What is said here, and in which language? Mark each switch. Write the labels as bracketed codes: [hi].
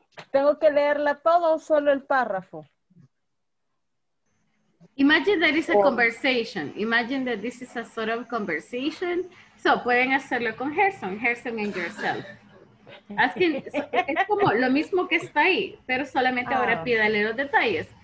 [es] Tengo que leerla todo o solo el párrafo. [en] Imagine that it's a conversation. Imagine that this is a sort of conversation. [es] So pueden hacerlo con Gerson. Gerson and yourself. Asking, es como lo mismo que está ahí, pero solamente ahora pídale los detalles.